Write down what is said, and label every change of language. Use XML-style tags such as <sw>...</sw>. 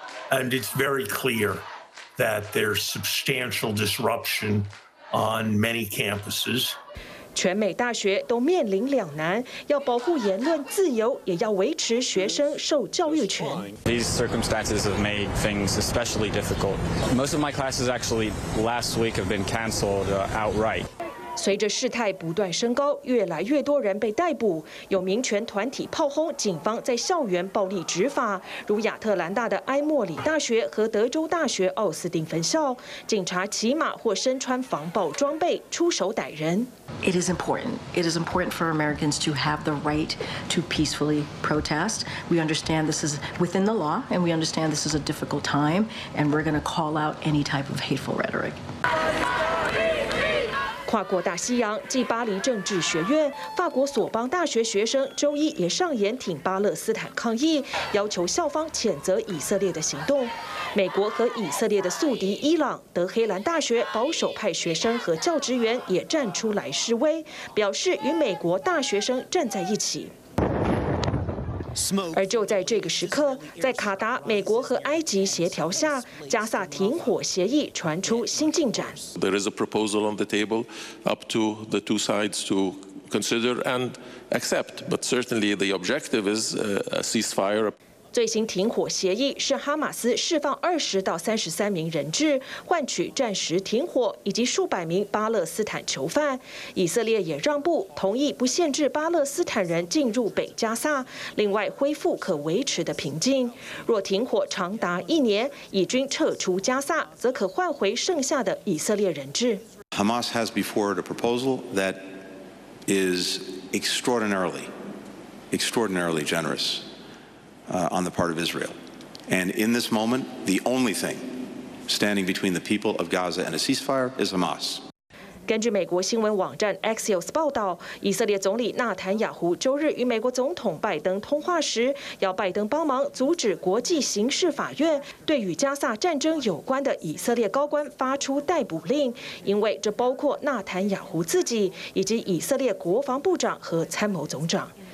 <en>And it's very clear that there's substantial disruption on many campuses.</en> <zh>全美大学都面临两难，要保护言论自由，也要维持学生受教育权。</zh> <en>These circumstances have made things especially difficult. Most of my classes actually last week have been canceled outright.</en> <zh>随着事态不断升高，越来越多人被逮捕，有民权团体炮轰警方在校园暴力执法，如亚特兰大的埃默里大学和德州大学奥斯汀分校，警察骑马或身穿防爆装备出手逮人。</zh> <en>It is important. It is important for Americans to have the right to peacefully protest. We understand this is within the law, and we understand this is a difficult time, and we're going to call out any type of hateful rhetoric.</en> <zh>跨过大西洋，继巴黎政治学院，法国索邦大学学生周一也上演挺巴勒斯坦抗议，要求校方谴责以色列的行动。美国和以色列的宿敌伊朗，德黑兰大学保守派学生和教职员也站出来示威，表示与美国大学生站在一起。而就在这个时刻，在卡达、美国和埃及协调下，加萨停火协议传出新进展。</zh> <en>There is a proposal on the table, up to the two sides to consider and accept. But certainly the objective is a ceasefire.</en> <zh>最新停火协议是哈马斯释放20到33名人质，换取暂时停火，以及数百名巴勒斯坦囚犯。以色列也让步，同意不限制巴勒斯坦人进入北加萨，另外恢复可维持的平静。若停火长达1年，以军撤出加萨，则可换回剩下的以色列人质。</zh> <en>Hamas has before it a proposal that is extraordinarily, extraordinarily generous. On the part of Israel. And in this moment, the only thing standing between the people of Gaza and a ceasefire is Hamas.</en> <zh>根据美国新闻网站 Axios 报道，以色列总理纳坦雅胡周日与美国总统拜登通话时，要拜登帮忙阻止国际刑事法院对与加萨战争有关的以色列高官发出逮捕令，因为这包括纳坦雅胡自己以及以色列国防部长和参谋总长。</zh>